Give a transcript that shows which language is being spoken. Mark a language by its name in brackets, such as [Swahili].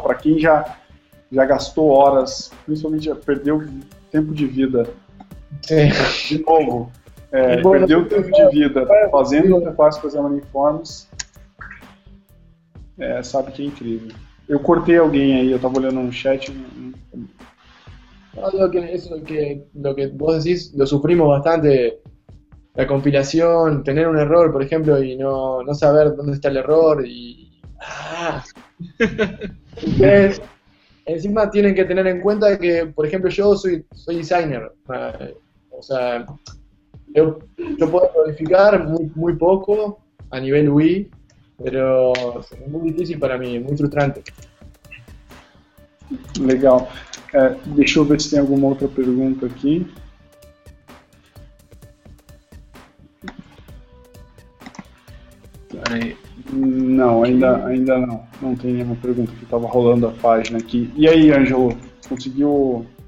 [Portuguese] Pra quem já gastou horas, principalmente já perdeu tempo de vida. De novo. Perdeu tempo de vida fazendo o interface com as Xamarin Forms. Sabe que é incrível. Eu cortei alguém aí, eu tava olhando no chat. [Spanish] Ah, lo que vos decís, lo sufrimos bastante, la compilación, tener un error, por ejemplo, y no saber dónde está el error, y... ¡Ah! Encima tienen que tener en cuenta que, por ejemplo, yo soy designer, o sea, yo puedo codificar muy poco a nivel UI, pero es muy difícil para mí, muy frustrante. [Portuguese] Legal. Deixa eu ver se tem alguma outra pergunta aqui. Aí. Não, ainda não. Não tem nenhuma pergunta que estava rolando a página aqui. E aí, Ângelo, conseguiu?